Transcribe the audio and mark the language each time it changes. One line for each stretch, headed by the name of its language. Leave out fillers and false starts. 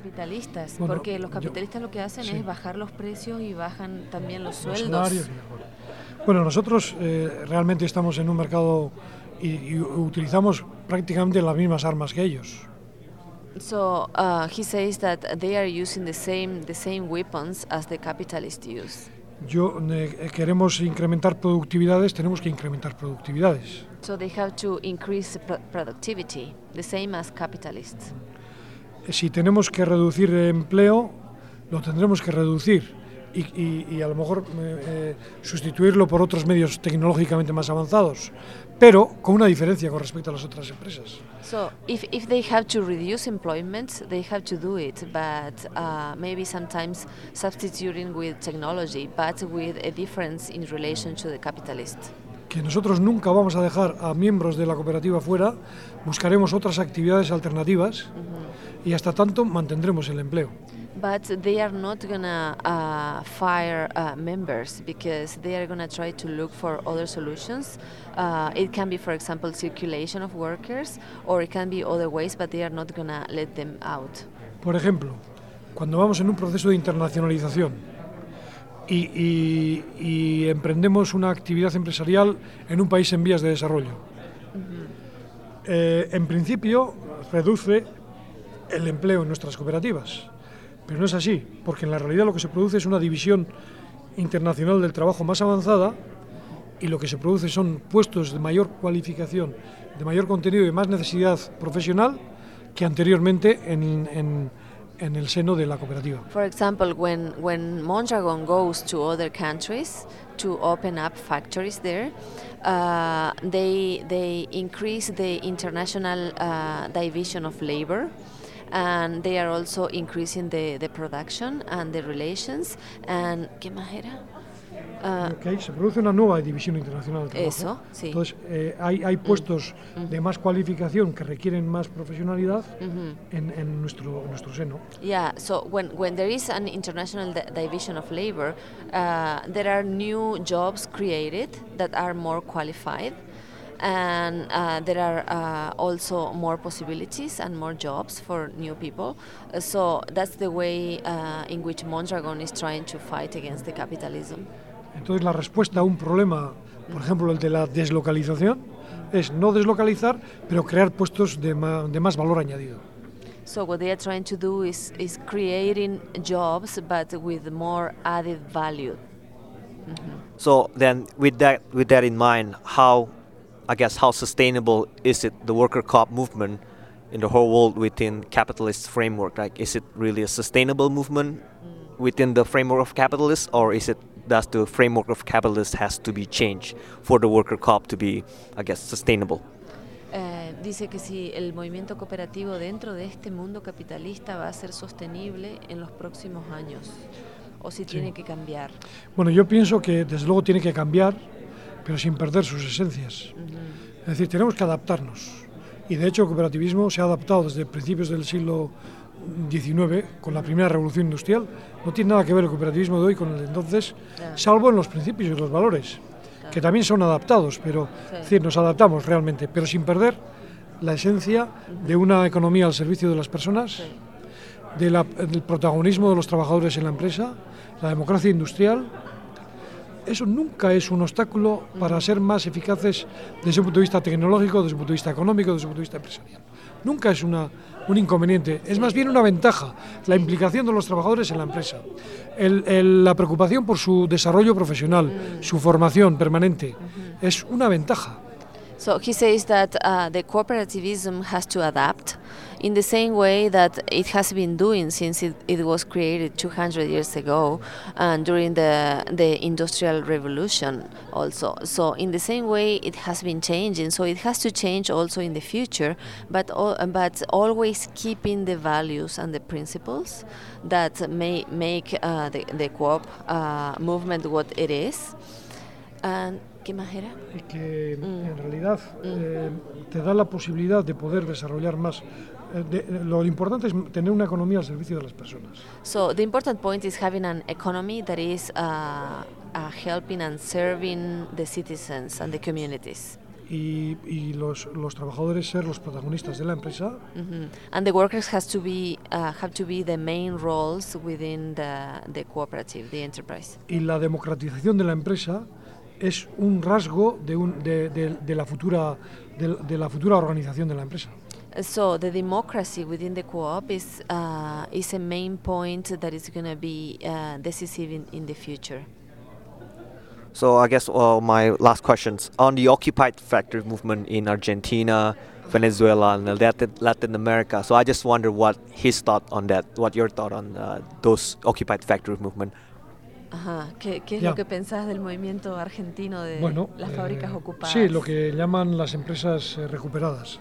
Spanish: Capitalistas, porque los capitalistas lo que hacen es bajar los precios y bajan también los sueldos. Bueno, nosotros realmente estamos en un mercado y utilizamos prácticamente las mismas armas que ellos.
English: So he says that they are using the same weapons as the capitalists use.
Spanish: Queremos incrementar productividades, tenemos que incrementar productividades.
English: So they have to increase productivity, the same as capitalists.
Spanish: Si tenemos que reducir empleo, lo tendremos que reducir. Y a lo mejor sustituirlo por otros medios tecnológicamente más avanzados, pero con una diferencia con respecto a las otras empresas.
English: So if they have to reduce employment, they have to do it, but maybe sometimes substituting with technology, but with a difference in relation to the capitalist.
Spanish: Que nosotros nunca vamos a dejar a miembros de la cooperativa fuera, buscaremos otras actividades alternativas, y hasta tanto mantendremos el empleo.
English: But they are not gonna fire members because they are gonna try to look for other solutions. It can be, for example, circulation of workers, or it can be other ways. But they are not gonna let them out.
Spanish: Por ejemplo, cuando vamos en un proceso de internacionalización y emprendemos una actividad empresarial en un país en vías de desarrollo, en principio reduce el empleo en nuestras cooperativas. Pero no es así, porque en la realidad lo que se produce es una división internacional del trabajo más avanzada, y lo que se produce son puestos de mayor cualificación, de mayor contenido y de más necesidad profesional que anteriormente en el seno de la cooperativa.
English: For example, when Mondragon goes to other countries to open up factories there, they increase the international division of labor. And they are also increasing the production and the relations. And
Spanish: ¿qué más era? Okay, se produce una nueva división internacional del trabajo. Eso, sí. Entonces, hay puestos de más cualificación que requieren más profesionalidad en nuestro seno.
English: Yeah, so when there is an international division of labor, there are new jobs created that are more qualified. And there are also more possibilities and more jobs for new people. So that's the way in which Mondragon is trying to fight against the capitalism.
Spanish: Entonces la respuesta a un problema, por ejemplo el de la deslocalización, es no deslocalizar, pero crear puestos de más valor añadido.
English: So what they are trying to do is creating jobs, but with more added value. So then, with that in mind, how sustainable is it, the worker co-op movement in the whole world within capitalist framework? Like, is it really a sustainable movement within the framework of capitalists, or is it that the framework of capitalists has to be changed for the worker co-op to be, sustainable?
Spanish: Dice que si el movimiento cooperativo dentro de este mundo capitalista va a ser sostenible en los próximos años, o si tiene que cambiar. Bueno, yo pienso que desde luego tiene que cambiar, pero sin perder sus esencias. Es decir, tenemos que adaptarnos. Y de hecho el cooperativismo se ha adaptado desde principios del siglo XIX, con la primera revolución industrial. No tiene nada que ver el cooperativismo de hoy con el de entonces, salvo en los principios y los valores, que también son adaptados, pero es decir, nos adaptamos realmente, pero sin perder la esencia de una economía al servicio de las personas, del protagonismo de los trabajadores en la empresa, la democracia industrial. Eso nunca es un obstáculo para ser más eficaces desde un punto de vista tecnológico, desde un punto de vista económico, desde un punto de vista empresarial. Nunca es un inconveniente, es más bien una ventaja, la implicación de los trabajadores en la empresa, la preocupación por su desarrollo profesional, su formación permanente, es una ventaja.
English: So he says that the cooperativism has to adapt in the same way that it has been doing since it was created 200 years ago and during the Industrial Revolution also. So in the same way it has been changing, so it has to change also in the future, but always keeping the values and the principles that may make the co-op movement what it is. And
Spanish: ¿qué más era? Que en realidad te da la posibilidad de poder desarrollar más Lo importante es tener una economía al servicio de las personas.
English: So the important point is having an economy that is helping and serving the citizens and the communities.
Spanish: Y los trabajadores ser los protagonistas de la empresa. Mm-hmm.
English: And the workers have to be the main roles within the cooperative, the enterprise.
Spanish: Y la democratización de la empresa es un rasgo de la futura organización de la empresa.
English: So the democracy within the co-op is a main point that is going to be decisive in the future. So I guess my last questions on the occupied factory movement in Argentina, Venezuela, and Latin America. So I just wonder what his thought on that, what your thought on those occupied factory movement.
Spanish: ¿Qué es lo que pensás del movimiento argentino de bueno, las fábricas ocupadas? Sí, lo que llaman las empresas recuperadas.